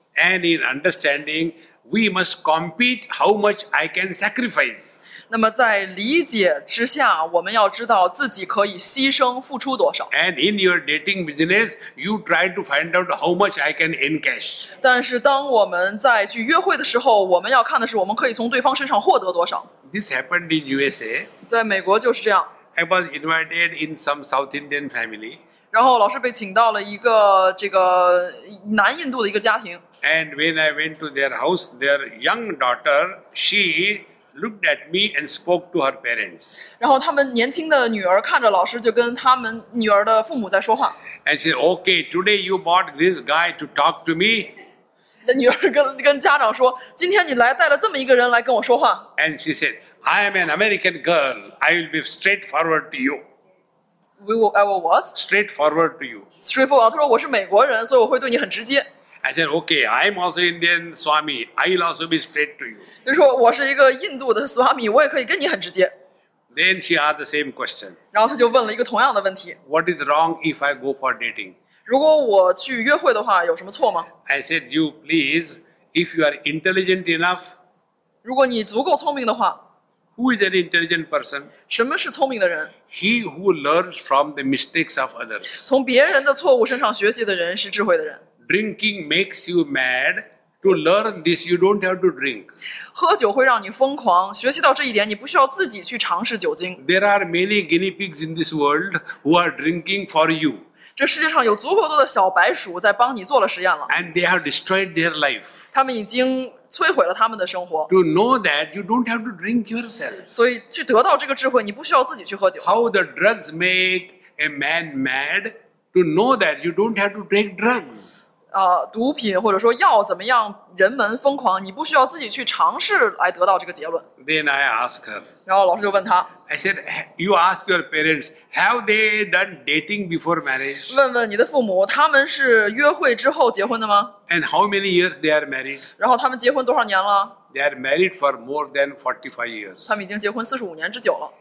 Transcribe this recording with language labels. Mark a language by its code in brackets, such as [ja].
[en] And in understanding, we must compete how much I can sacrifice. [zh] 那么在理解之下，我们要知道自己可以牺牲付出多少。 [en] And in your dating business, you try to find out how much I can encash. [zh] 但是当我们在去约会的时候，我们要看的是我们可以从对方身上获得多少。 [en] This happened in USA. [zh] 在美国就是这样。 [en] I was invited in some South Indian family. [zh] 然后老师被请到了一个这个南印度的一个家庭。 [en] And when I went to their house, their young daughter, she looked at me and spoke to her parents. [zh] 然后他们年轻的女儿看着老师，就跟他们女儿的父母在说话。 [en] And she said, "Okay, today you brought this guy to talk to me." [zh] 那女儿跟家长说，今天你来带了这么一个人来跟我说话。 [en] And she said, "I am an American girl. I will be straightforward to you." I will what? Straightforward to you. Straightforward. [zh] 她说我是美国人，所以我会对你很直接。 [en] I said, "Okay, I'm also Indian Swami. I'll also be straight to you." [zh] 就说我是一个印度的 Swami， 我也可以跟你很直接。 [en] Then she asked the same question. [zh] 然后他就问了一个同样的问题。 [en] What is wrong if I go for dating? [zh] 如果我去约会的话，有什么错吗 [en] ？I said, "You please, if you are intelligent enough." [zh] 如果你足够聪明的话。 [en] Who is an intelligent person? [zh] 什么是聪明的人 [en] ？He who learns from the mistakes of others. [zh] 从别人的错误身上学习的人是智慧的人。 [en] Drinking makes you mad. To learn this, you don't have to drink. [zh] 喝酒会让你疯狂。学习到这一点，你不需要自己去尝试酒精。 [en] There are many guinea pigs in this world who are drinking for you. [zh] 这世界上有足够多的小白鼠在帮你做了实验了。 [en] And they have destroyed their life. [zh] 他们已经摧毁了他们的生活。 [en] To know that, you don't have to drink yourself. [zh] 所以去得到这个智慧，你不需要自己去喝酒。 [en] How the drugs make a man mad? To know that, you don't have to take drugs. [zh] 毒品或者说药怎么样人们疯狂，你不需要自己去尝试来得到这个结论。 [en] Then I ask her. [zh] 然后老师就问他。 [en] I said, "You ask your parents, have they done dating before marriage?" [zh] 问问你的父母，他们是约会之后结婚的吗 [en] ？And how many years they are married? [zh] 然后他们结婚多少年了 [en] ？They are married for more than 45 years. [zh] 他们已经结婚45年之久了。